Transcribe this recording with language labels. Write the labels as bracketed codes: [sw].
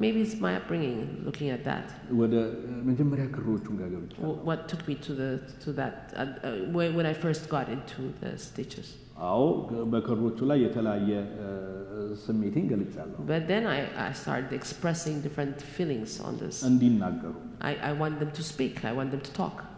[en] maybe it's my upbringing looking at that [am] ወደ መጀመሪያ ክሮቹን ጋር ገብቻለሁ [en] what took me to that when I first got into the stitches [am] አው በከሮቹ ላይ የተለያየ ስሜቲን ገልጫለሁ [en] but then I started expressing different feelings on this [am] እንዲናገሩ [en] I want them to speak I want them to talk